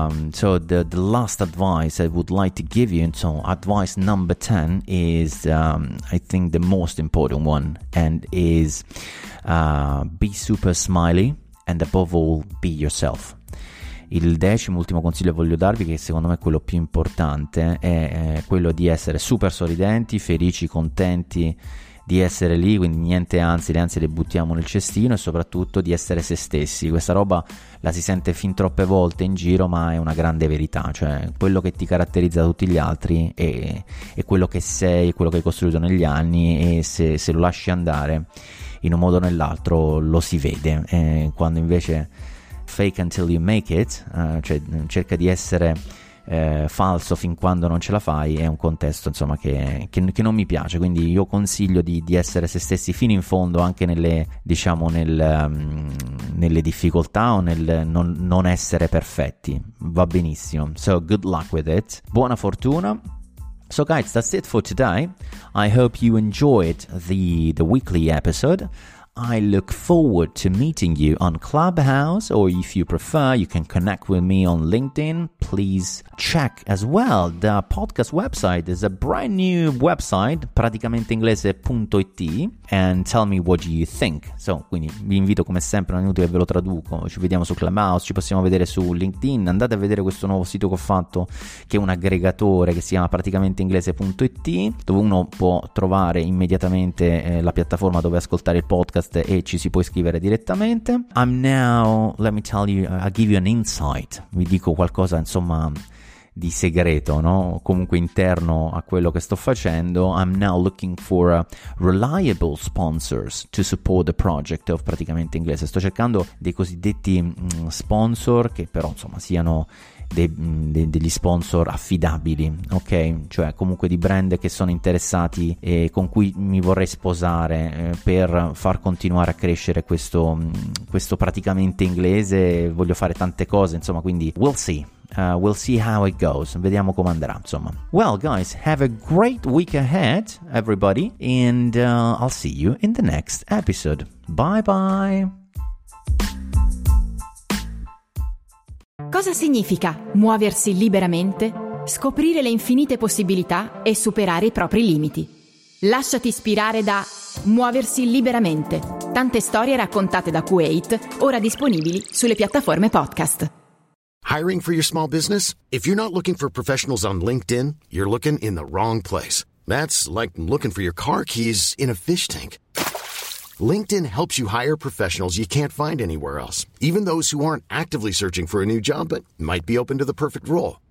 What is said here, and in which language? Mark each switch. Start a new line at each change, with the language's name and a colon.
English: So the last advice I would like to give you, so advice number 10 is I think the most important one, and is be super smiley and above all be yourself.
Italian: Il decimo ultimo consiglio che voglio darvi, che secondo me è quello più importante, è quello di essere super sorridenti, felici, contenti di essere lì, quindi niente ansie, le ansie le buttiamo nel cestino, e soprattutto di essere se stessi. Questa roba la si sente fin troppe volte in giro, ma è una grande verità, cioè quello che ti caratterizza da tutti gli altri è quello che sei, quello che hai costruito negli anni, e se lo lasci andare in un modo o nell'altro lo si vede, quando invece fake until you make it, cioè cerca di essere falso fin quando non ce la fai, è un contesto, insomma, che non mi piace. Quindi io consiglio di essere se stessi fino in fondo, anche nelle, diciamo, nelle difficoltà, o nel non essere perfetti, va benissimo.
English: So good luck with it, buona fortuna. So guys, that's it for today. I hope you enjoyed the weekly episode. I look forward to meeting you on Clubhouse, or if you prefer, you can connect with me on LinkedIn. Please check as well the podcast website. There's a brand new website, praticamenteinglese.it, and tell me what you think.
Italian: So, quindi vi invito come sempre, non è inutile che ve lo traduco, ci vediamo su Clubhouse, ci possiamo vedere su LinkedIn, andate a vedere questo nuovo sito che ho fatto, che è un aggregatore che si chiama praticamenteinglese.it, dove uno può trovare immediatamente la piattaforma dove ascoltare il podcast e ci si può iscrivere direttamente. I'll give you an insight, vi dico qualcosa insomma di segreto, no? Comunque interno a quello che sto facendo.
English: I'm now looking for reliable sponsors to support the project of Praticamente Inglese.
Italian: Sto cercando dei cosiddetti sponsor che però insomma siano degli sponsor affidabili, ok? Cioè comunque di brand che sono interessati e con cui mi vorrei sposare per far continuare a crescere questo Praticamente Inglese. Voglio fare tante cose, insomma, quindi we'll see how it goes. Vediamo come andrà, insomma.
English: Well, guys, have a great week ahead, everybody, and I'll see you in the next episode. Bye bye.
Italian: Cosa significa muoversi liberamente? Scoprire le infinite possibilità e superare i propri limiti. Lasciati ispirare da Muoversi liberamente. Tante storie raccontate da Kuwait, ora disponibili sulle piattaforme podcast.
English: Hiring for your small business? If you're not looking for professionals on LinkedIn, you're looking in the wrong place. That's like looking for your car keys in a fish tank. LinkedIn helps you hire professionals you can't find anywhere else, even those who aren't actively searching for a new job but might be open to the perfect role.